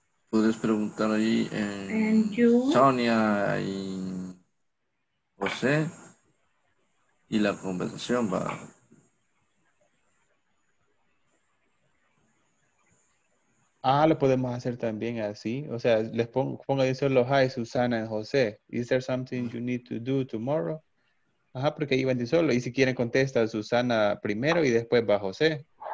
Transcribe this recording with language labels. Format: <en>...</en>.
<es>Puedes preguntar ahí Sonia y José y la conversación va. Lo podemos hacer también así. O sea, les pongo ahí solo hi, Susana y José.</es> <en>Is there something you need to do tomorrow?</en> <es>Ajá, porque ahí van de solo. Y si quieren contesta Susana primero y después va José.</es>